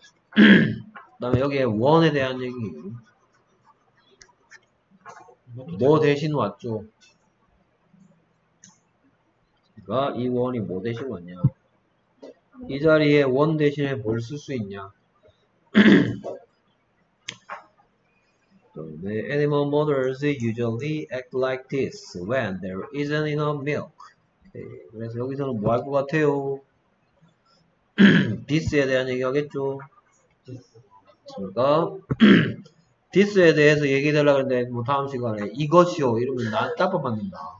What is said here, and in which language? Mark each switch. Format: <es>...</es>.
<ko>그 다음에 여기에 one에 대한 얘기. 뭐 대신 왔죠? 이 원이 뭐 대신 왔냐? 이 자리에 원 대신에 뭘 쓸 수 있냐?</ko> <en>네, animal mothers usually act like this when there isn't enough milk.</en> <ko>네, 그래서 여기서는 뭐 할 것 같아요? this에 대한 얘기 하겠죠? 그러니까 this에 대해서 얘기 달라 그랬는데 뭐 다음 시간에 이것이요 이러면 나 따박받는다.</ko>